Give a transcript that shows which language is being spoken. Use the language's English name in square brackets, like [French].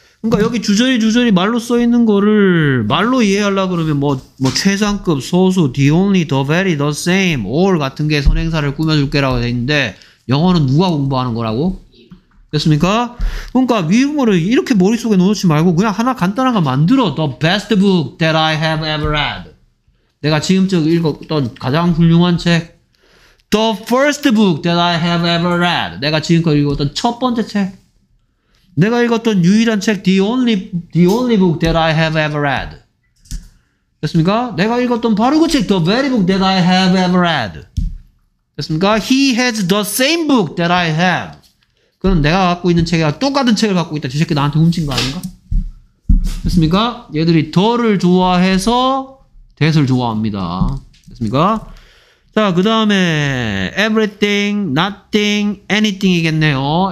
[Korean] 그러니까 여기 주저리 주저리 말로 써 있는 거를 말로 이해하려고 그러면 뭐 최상급, 소수, the only, the very, the same, all 같은 게 선행사를 꾸며줄게라고 돼 있는데 영어는 누가 공부하는 거라고? 됐습니까? 그러니까 미국어를 이렇게 머릿속에 넣어놓지 말고 그냥 하나 간단한 거 만들어. [English] The best book that I have ever read. [Korean] 내가 지금쯤 읽었던 가장 훌륭한 책. [English] The first book that I have ever read. [Korean] 내가 지금까지 읽었던 첫 번째 책. 내가 읽었던 유일한 책. [English] The only book that I have ever read. [Korean] 됐습니까? 내가 읽었던 바로 그 책. [English] The very book that I have ever read. [Korean] 됐습니까? [English] He has the same book that I have. [Korean] 그건 내가 갖고 있는 책이랑 똑같은 책을 갖고 있다. 저 새끼 나한테 훔친 거 아닌가? 됐습니까? 얘들이 더를 좋아해서 that을 좋아합니다. 됐습니까? 자, 그 다음에 everything, nothing, anything이겠네요.